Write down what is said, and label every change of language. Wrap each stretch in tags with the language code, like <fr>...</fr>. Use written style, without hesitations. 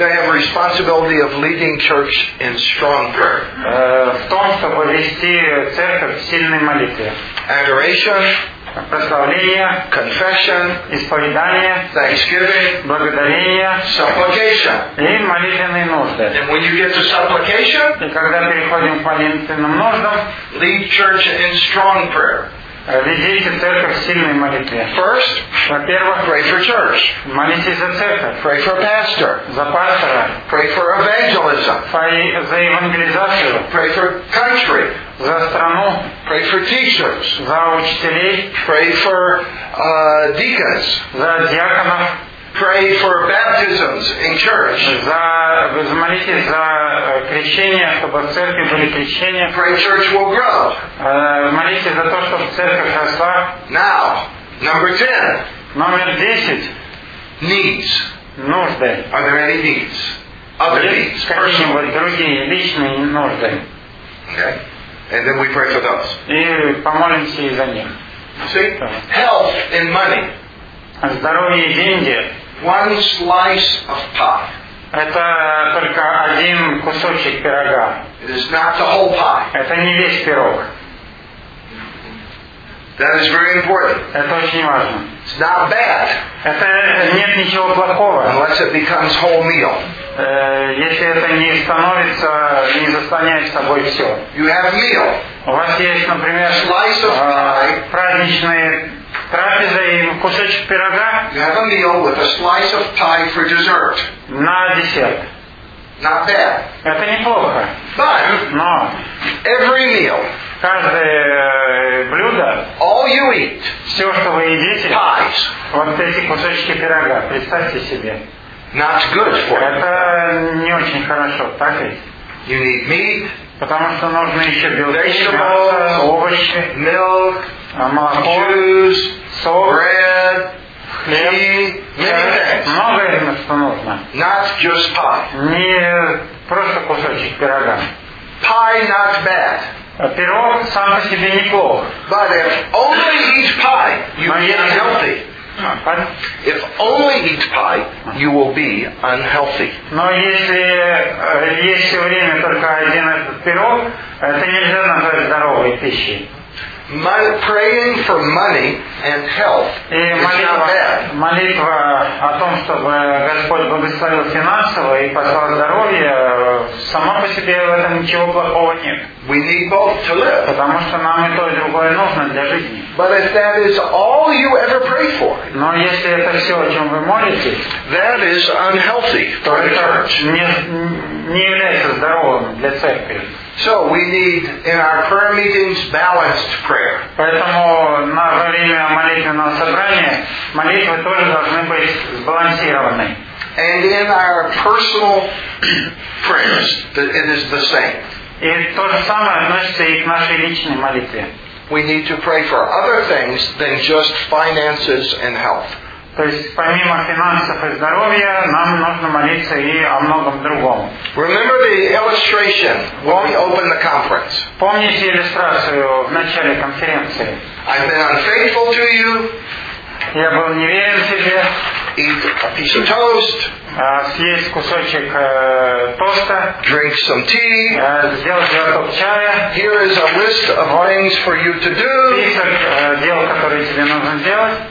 <en>They have responsibility of leading church in strong prayer.</en> <ru>В том, чтобы вести церковь в сильной молитве.</ru> <en>Adoration.</en> <ru>Прославление,</ru> <en>confession,</en> <ru>исповедание,</ru> <en>thanksgiving,</en> <ru>благодарение,</ru> <en>supplication,</en> <ru>и молитвенные нужды.</ru> <en>And when you get to supplication,</en> <ru>и когда переходим к молитвенным нуждам,</ru> <en>lead church in strong prayer.</en> <ru>Ведите церковь в сильной молитве.</ru> <en>First,</en> <ru>во-первых,</ru> <en>pray for church.</en> <ru>Молитесь за церковь.</ru> <en>Pray for pastor.</en> <ru>За пастора.</ru> <en>Pray for evangelism.</en> <ru>За евангелизацию.</ru> <en>Pray for country.</en> <ru>За страну.</ru> <en>Pray for teachers.</en> <ru>За учителей.</ru> <en>Pray for deacons.</en> <ru>За диаконов.</ru> <en>Pray for baptisms in church.</en> <ru>За молитесь за крещение, чтобы в церкви были крещения.</ru> <en>Pray church will grow.</en> <ru>Молитесь за то, чтобы церковь росла.</ru> <en>Now, number 10.</en> <ru>Номер 10.</ru> <en>Needs.</en> <ru>Нужды.</ru> <en>Are there any needs? Other needs.</en> <ru>Какие-нибудь другие личные нужды.</ru> <en>Okay. And then we pray for those.</en> <ru>И помолимся за них.</ru> <en>See? Health and money.</en> <ru>Здоровье и деньги.</ru> <en>One slice of pie.</en> <ru>Это только один кусочек пирога.</ru> <en>It is not the whole pie.</en> <ru>Это не весь пирог.</ru> <en>That is very important.</en> <ru>Это очень важно.</ru> <en>It's not bad.</en> <ru>Это нет ничего плохого.</ru> <en>Unless it becomes whole meal.</en> <ru>Если это не становится, не заслоняет собой все.</ru> <en>You have meal.</en> <ru>У вас есть, например,</ru> <en>slice of pie.</en> <ru>Праздничные трапеза и кусочек пирога.</ru> <en>You have a meal with a slice of pie for dessert.</en> <ru>На десерт.</ru> <en>Not bad.</en> <ru>Это неплохо.</ru> <en>But no. Every meal.</en> <ru>Каждое блюдо.</ru> <en>All you eat.</en> <ru>Все, что вы едите.</ru> <en>Pies.</en> <ru>Вот эти кусочки пирога. Представьте себе.</ru> <en>Not good for you.</en> <ru>Это не очень хорошо, так ведь?</ru> <en>You need meat.</en> <ru>Потому что нужно еще белки,</ru> <en>vegetables,</en> <ru>овощи,</ru> <en>milk.</en> <ru>Молоко,</ru> <en>juice,</en> <ru>сок,</ru> <en>bread,</en> <ru>хлеб,</ru> <en>many things.</en> <ru>Много им нужно.</ru> <en>Not just pie.</en> <ru>Не просто кусочек пирога.</ru> <en>Pie not bad.</en> <ru>Пирог сам по себе неплох.</ru> <en>But if only eat pie, you will be unhealthy. If only eat pie, you will be unhealthy.</en> <ru>Но если есть все время только один этот пирог, это нельзя назвать здоровой пищей.</ru> <en>Money, praying for money and health is not bad.</en> <ru>Молитва о том, чтобы Господь благословил финансово и послал здоровье, сама по себе в этом ничего плохого нет.</ru> <en>We need both to live.</en> <ru>Потому что нам и то, и другое нужно для жизни.</ru> <en>But if that is all you ever pray for,</en> <ru>но если это все, о чем вы молитесь,</ru> <en>that is unhealthy for the church.</en> <ru>Не является здоровым для церкви.</ru> <en>So we need in our prayer meetings balanced prayer.</en> <ru>Поэтому на время молитвенного собрания молитвы тоже должны быть сбалансированы.</ru> <en>And in our personal prayers, it is the same.</en> <ru>И то же самое относится и к нашей личной молитве.</ru> <en>We need to pray for other things than just finances and health.</en> <ru>То есть помимо финансов и здоровья нам нужно молиться и о многом другом.</ru> <en>Remember the illustration when we opened the conference.</en> <ru>Помните иллюстрацию в начале конференции.</ru> <en>I've been unfaithful to you.</en> <ru>Я был неверен себе.</ru> <en>Eat a piece of toast.</en> <ru>Съесть кусочек тоста.</ru> <en>Drink some tea.</en> <ru>Сделать глоток чая.</ru> <en>Here is a list of things for you to do.</en> <ru>Список дел, которые тебе нужно сделать.</ru>